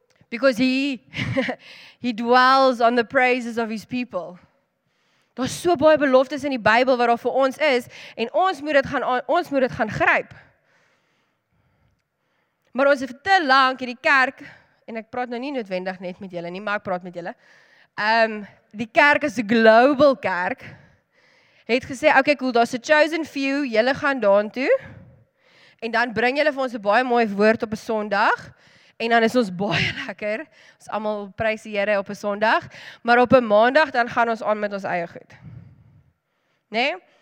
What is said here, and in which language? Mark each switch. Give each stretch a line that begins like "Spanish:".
English: Because he dwells on the praises of his people.
Afrikaans: Daar's so baie beloftes in die Bybel wat daar vir ons is, en ons moet dit gaan gryp. Maar ons het te lank hierdie kerk, en ek praat nou nie noodwendig net met julle nie, maar ek praat met julle. Die kerk is 'n global kerk. Het gesê, okay, cool, daar's 'n
English: chosen few,
Afrikaans: julle gaan daan toe. En dan bring julle vir ons 'n baie mooi woord op 'n Sondag. En dan is ons baie lekker, ons allemaal prys die Here op 'n Sondag, maar op 'n Maandag, dan gaan ons aan met ons eie goed. Nee?